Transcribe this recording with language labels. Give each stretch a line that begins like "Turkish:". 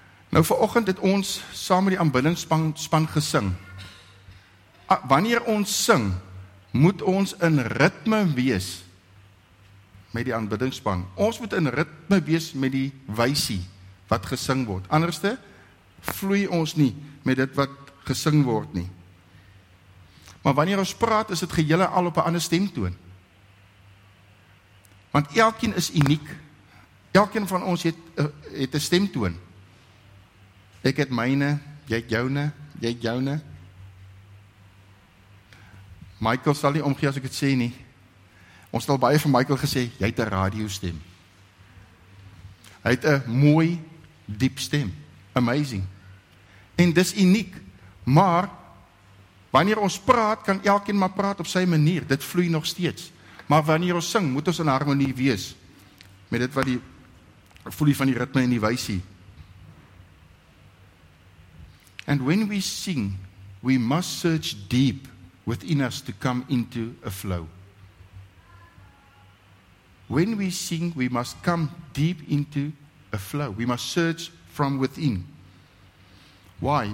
Afrikaans: Nou vanoggend het ons saam met die aanbiddingsspan gesing. Wanneer ons sing, moet ons in ritme wees met die aanbiddingsspan. Ons moet in ritme wees met die wysie wat gesing word. Anderste vloei ons nie met dit wat gesing word nie. Maar wanneer ons praat, is dit geheel al op 'n ander stemtoon. Want elkeen is uniek. Elkeen van ons het 'n stemtoon. Ek het myne, jy het joune, jy het joune. Michael sal nie omgee as ek dit sê nie. Ons het al baie vir Michael gesê, jy het 'n radiostem. Hy het 'n mooi, diep stem. Amazing. En dis uniek. Maar, wanneer ons praat, kan elkeen maar praat op sy manier. Dit vloei nog steeds. Maar wanneer ons sing, moet ons in harmonie wees. Met dit wat die voelie van die ritme en die wysie.
English: And when we sing, we must search deep within us to come into a flow. When we sing, we must come deep into a flow. We must search from within. Why?